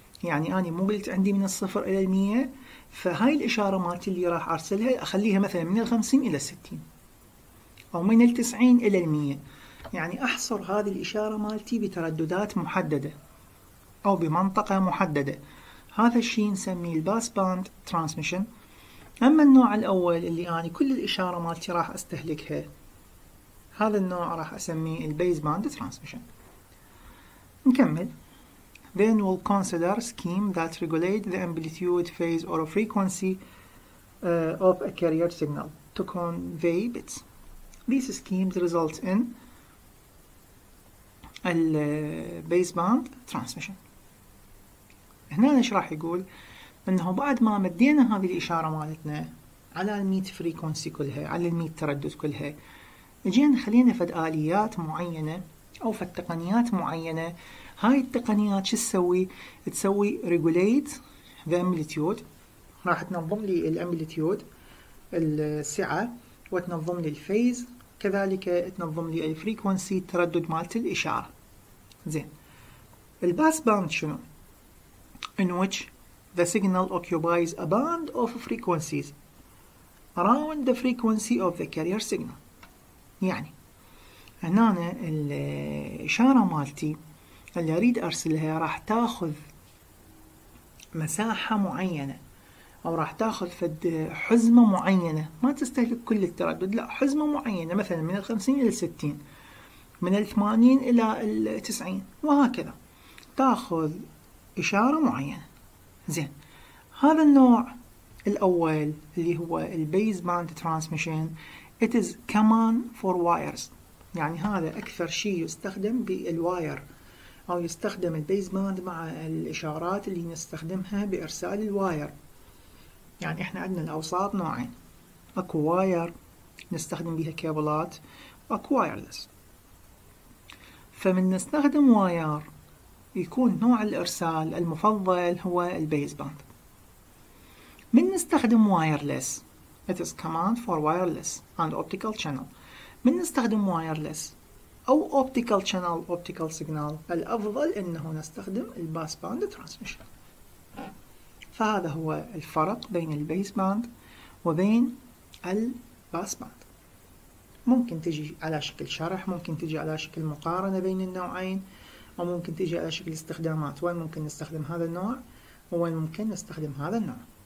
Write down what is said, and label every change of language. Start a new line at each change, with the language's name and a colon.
Arabic: يعني أنا مو قلت عندي من الصفر إلى المية، فهاي الإشارة مالتي اللي راح أرسلها أخليها مثلا من 50 إلى 60 أو من 90 إلى 100، يعني أحصر هذه الإشارة مالتي بترددات محددة أو بمنطقة محددة. هذا الشيء نسميه الباس باند ترانسميشن. أما النوع الأول اللي أنا كل الإشارة مالتي راح أستهلكها، هذا النوع راح أسميه البيز باند ترانسميشن. نكمل.
English: Then we'll consider scheme that regulate the amplitude, phase or frequency of a carrier signal to convey bits. These schemes result in البيز band transmission.
Arabic: هنا إيش راح يقول؟ انه بعد ما مدينا هذه الاشاره مالتنا على الميت فريكونسي كلها، على الميت تردد كلها، جينا خلينا فد اليات معينه او فد تقنيات معينه. هاي التقنيات شو تسوي؟ تسوي
English: regulate the amplitude,
Arabic: راح تنظم لي الامبليتيود السعه، وتنظم لي الفيز، كذلك تنظم لي الفريكونسي التردد مالت الاشاره. زين، الباس باند شنو؟
English: In which The signal occupies a band of frequencies around the frequency of the carrier signal.
Arabic: يعني هنا الإشارة مالتي اللي اريد ارسلها راح تاخذ مساحة معينة، او راح تاخذ فد حزمة معينة، ما تستهلك كل التردد، لا حزمة معينة، مثلا من 50 الى 60، من 80 الى 90، وهكذا تاخذ اشارة معينة. زين، هذا النوع الاول اللي هو البيز باند ترانسميشن،
English: it is common for wires،
Arabic: يعني هذا اكثر شيء يستخدم بالواير، او يستخدم البيز باند مع الاشارات اللي نستخدمها بارسال الواير. يعني احنا عندنا الاوساط نوعين، اكو واير نستخدم بها كابلات، واكو وايرلس. فمن نستخدم واير يكون نوع الارسال المفضل هو البيز باند. من نستخدم وايرلس،
English: it is command for wireless and optical channel.
Arabic: من نستخدم وايرلس او اوبتيكال شانل، اوبتيكال سيجنال، الافضل انه نستخدم الباس باند ترانسميشن. فهذا هو الفرق بين البيس باند وبين الباس باند. ممكن تجي على شكل شرح، ممكن تجي على شكل مقارنة بين النوعين، او ممكن تجي على شكل استخدامات، وين ممكن نستخدم هذا النوع وين ممكن نستخدم هذا النوع.